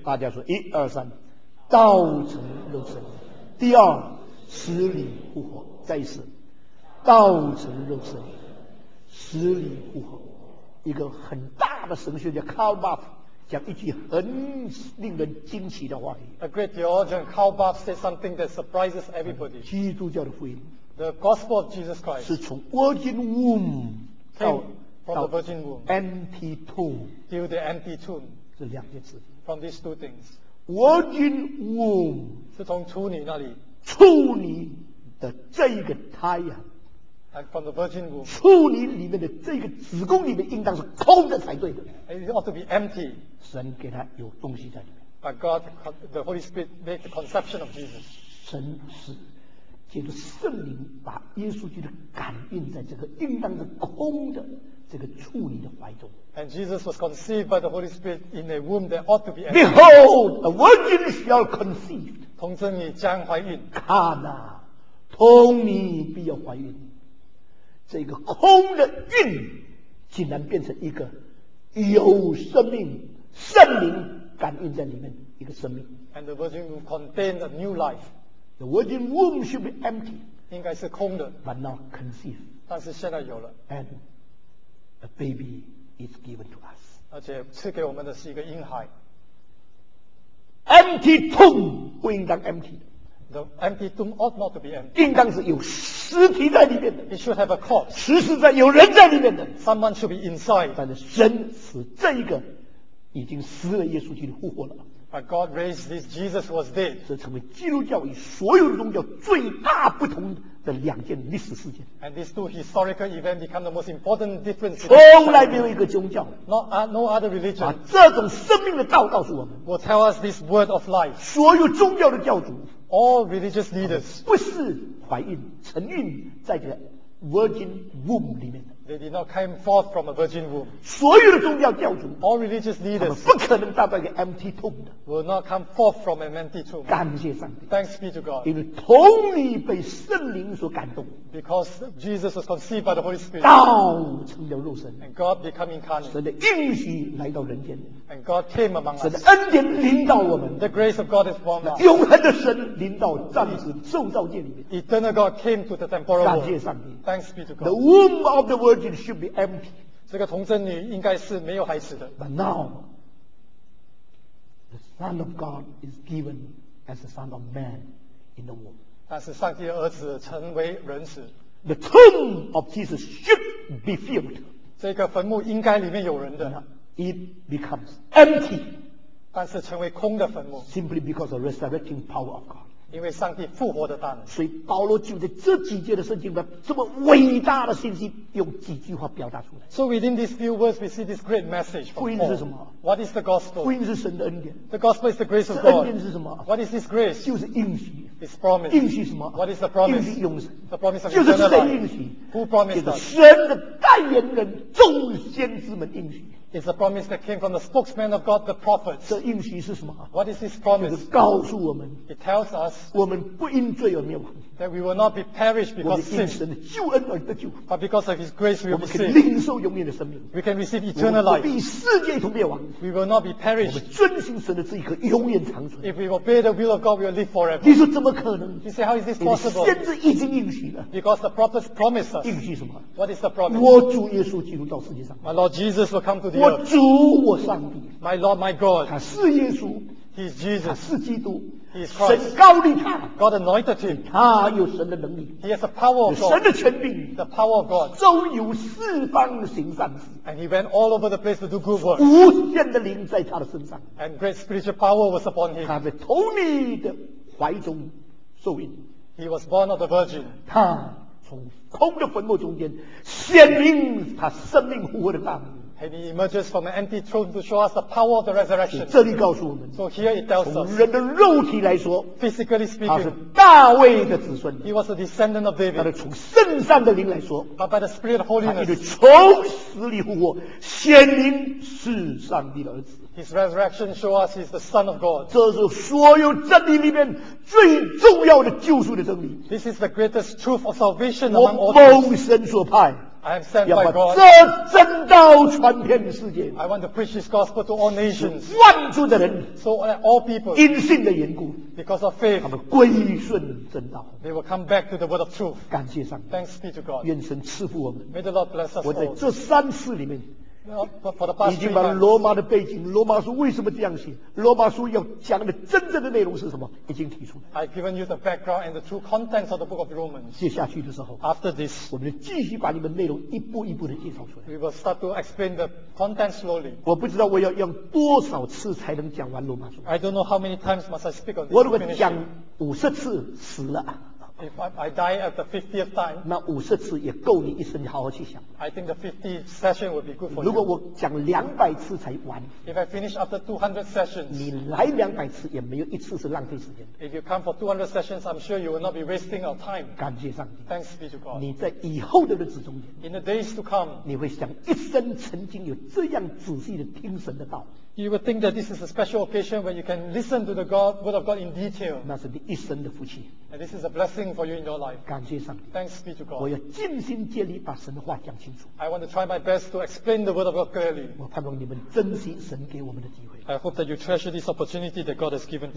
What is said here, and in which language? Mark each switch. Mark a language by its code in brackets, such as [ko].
[zh] 大家说一二三，道成肉身，第二，死里复活，再一次，道成肉身，死里复活，一个很大的神学家 Karl Barth 讲一句很令人惊奇的话语。 [en] A great theologian Karl Barth said something that surprises everybody. [zh] 基督教的福音。 [en] The gospel of Jesus Christ [zh] 是从 [en] virgin womb [zh] 到 [en] from the virgin womb empty tomb till the empty tomb [zh] 这两件事 [en] from these two things virgin womb [zh] 是从处女那里处女的这一个胎啊 [en] and from the virgin womb [zh] 处女里面的这个子宫里面应当是空的才对的 [en] it ought to be empty [zh] 神给他有东西在里面 [en] but God the Holy Spirit made the conception of Jesus [zh] 神是借着圣灵把耶稣基督感应在这个应当是空的这个处女的怀中。 [en] And Jesus was conceived by the Holy Spirit in a womb that ought to be empty. Behold, a virgin shall conceive. [zh] 童贞女将怀孕。看啊，童女必要怀孕。这个空的孕竟然变成一个有生命，圣灵感应在里面一个生命。 [en] And the virgin will contain a new life. The virgin womb should be empty. [zh] 应该是空的。 [en] But now conceived. [zh] 但是现在有了。 [en] And a baby is given to us. [zh] 而且赐给我们的是一个婴孩。 [en] Empty tomb [zh] 不应当 [en] empty. The empty tomb ought not to be empty. [zh] 应当是有尸体在里面的。 [en] It should have a corpse. [zh] 实实在有人在里面的。 [en] Someone should be inside. [zh] 但是神使这一个已经死了耶稣基督复活了。 [en] But God raised this Jesus was dead. [zh] 这成为基督教与所有的宗教最大不同的两件历史事件。 [en] And these two historical events become the most important difference. [zh] 从来没有一个宗教。 [en] No other religion. [zh] 把这种生命的道告诉我们。 [en] Will tell us this word of life. [zh] 所有宗教的教主。 [en] All religious leaders. [zh] 不是怀孕，承孕在这个 [en] virgin womb [zh] 里面的。 [en] They did not come forth from a virgin womb. [zh] 所有的宗教教主 [en] all religious leaders, [zh] 他们不可能到达一个 [en] empty tomb [zh] 的 [en] will not come forth from an empty tomb. [zh] 感谢上帝 [en] Thanks be to God. [zh] 因为童女被圣灵所感动 [en] Because Jesus was conceived by the Holy Spirit. [zh] 道成了肉身 [en] And God became incarnate. [zh] 神的应许来到人间 [en] And God came among us. [zh] 神的恩典临到我们 [en] The grace of God is upon us. [zh] 永恒的神临到暂时受造界里面 [en] Eternal God came to the temporal world. [zh] 感谢上帝 [en] Thanks be to God. The womb of the world It should be empty. [zh] 这个童贞女应该是没有孩子的。 [en] But now, the Son of God is given as the Son of Man in the womb. [zh] 但是上帝的儿子成为人子。 [en] The tomb of Jesus should be filled. [zh] 这个坟墓应该里面有人的。 [en] It becomes empty. [zh] 但是成为空的坟墓。 [en] Simply because of the resurrecting power of God. [zh] 因为上帝复活的大能，所以保罗就在这几节的圣经里，这么伟大的信息，用几句话表达出来。 [en] So within these few words, we see this great message. [zh] 福音是什么 [en] ？What is the gospel? [zh] 福音是神的恩典。 [en] The gospel is the grace of God. [zh] 恩典是什么 [en] ？What is this grace? [zh] 就是应许。 [en] It's promise. [zh] 应许什么 [en] ？What is the promise? [zh] 应许永生。 [en] The promise of [zh] 就是神的应许。 [en] Who promised? [zh] 就是神的代言人，众先知们应许。 [en] It's a promise that came from the spokesman of God, the prophets. [zh] 这应许是什么 [en] What is this promise? [zh] 就是告诉我们 [en] It tells us [zh] 我们不因罪而灭亡 [en] that we will not be perished because of sin. [zh] 我们因神的救恩而得救 [en] but because of his grace we will be saved. [zh] 我们可以领受永远的生命 [en] we can receive eternal life. [zh] 我们不必世界一同灭亡 [en] we will not be perished. [zh] 我们遵行神的旨意可永远长存 [en] if we obey the will of God, we will live forever. [zh] 你说怎么可能 [en] you say, how is this possible? [zh] 先知已经应许了 [en] because the prophets promised us. [zh] 应许什么 [en] what is the promise? [zh] 我主耶稣基督到世界上 [en] my Lord Jesus will come to the earth. [zh] 我主我上帝 [en] My Lord, my God [zh] 他是耶稣 [en] He is Jesus [zh] 他是基督神高立他 [en] ，God anointed him， [zh] 他有神的能力 [en] ，He has the power of God， [zh] 神的权柄 [en] ，The power of God， [zh] 周游四方行善事 [en] ，And he went all over the place to do good work， [zh] 无限的灵在他的身上 [en] ，And great spiritual power was upon him， [zh] 他在童女的怀中受孕 [en] ，He was born of the virgin， [zh] 他从空的坟墓中间显明他生命复活的大能。 [en] And he emerges from an empty tomb to show us the power of the resurrection. [zh] 这里告诉我们。 [en] So here it tells us. [zh] 从人的肉体来说 [en] ，physically speaking， [zh] 他是大卫的子孙。 [en] He was a descendant of David. [zh] 但是从圣上的灵来说 [en] ，but by the spirit of holiness， [zh] 他就是从死里复活，显明是上帝的儿子。 [en] His resurrection shows us he's the Son of God. [zh] 这是所有真理里面最重要的救赎的真理。 [en] This is the greatest truth of salvation among all things. [zh] 我蒙神所派。 [en] I am sent by God. [zh] 要把这真道传遍世界。 [en] I want to preach His gospel to all nations. [zh] 万族的人 [en] ，so all people. [zh] 因信的缘故 [en] ，because of faith. [zh] 他们归顺真道。 [en] They will come back to the word of truth. [zh] 感谢上帝。 [en] Thanks be to God. [zh] 愿神赐福我们。 [en] May the Lord bless us all. [zh] 我在这三次里面。 [en] Well, [zh] 已经把罗马的背景，罗马书为什么这样写，罗马书要讲的真正的内容是什么，已经提出来。 [en] I've given you the background and the true contents of the book of Romans. [zh] 接下去的时候 [en] ，After this， [zh] 我们继续把你们内容一步一步的介绍出来。 [en] We will start to explain the content slowly. [zh] 我不知道我要用多少次才能讲完罗马书。 [en] I don't know how many times must I speak on this. [zh] 我如果讲50次死了。 [en] If I die at the 50th time, [zh] 那五十次也够你一生好好去想。 [en] I think the 50th session would be good for you. [zh] 如果我讲200次才完 [en] ，If I finish after 200 sessions, [zh] 你来200次也没有一次是浪费时间。 [en] If you come for 200 sessions, I'm sure you will not be wasting our time. [zh] 感谢上帝。 [en] Thanks be to God. [zh] 你在以后的日子中间 [en] ，In the days to come, [zh] 你会想一生曾经有这样仔细的听神的道。 [en] You would think that this is a special occasion when you can listen to the God, word of God in detail. [zh] 那是你一生的福气。 [en] And this is a blessing for you in your life. [zh] 感谢上帝。 [en] Thanks be to God. [zh] 我要尽心竭力把神的话讲清楚。 [en] I want to try my best to explain the word of God clearly. [zh] 我盼望你们珍惜神给我们的机会。 [en] I hope that you treasure this opportunity that God has given to us.